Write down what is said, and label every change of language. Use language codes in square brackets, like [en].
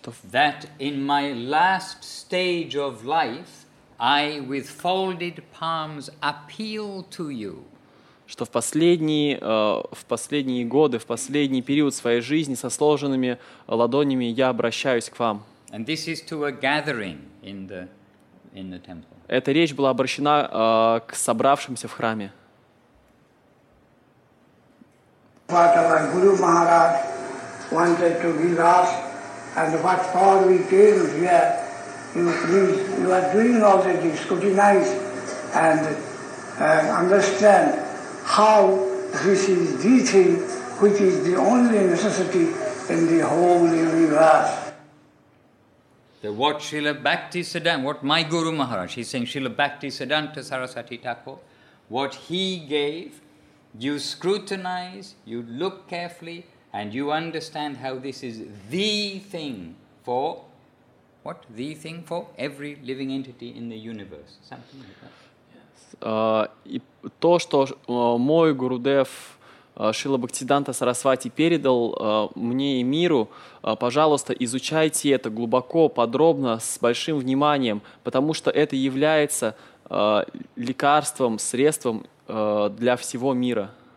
[en] that in my last stage of life, I with folded palms appeal to you. [ru] Что в последние годы, в последний период своей жизни со сложенными ладонями я обращаюсь к вам. [en] And this is to a gathering in the temple. [ru] Эта речь была обращена к собравшимся в храме. [en] What our Guru Maharaj wanted to give us, and what all we came here, you are doing all the scrutinize and understand. How this is the thing which is the only necessity in the whole universe. The what Srila Bhakti Siddhanta, what my Guru Maharaj, he's saying Srila Bhakti Siddhanta Saraswati Thakur, what he gave, you scrutinize, you look carefully, and you understand how this is the thing for, what? The thing for every living entity in the universe, something like that. [ru] И то, что мой Гурудев Шрила Бхактисиддханта Сарасвати передал мне и миру, пожалуйста, изучайте это глубоко, подробно, с большим вниманием, потому что это является лекарством, средством для всего мира.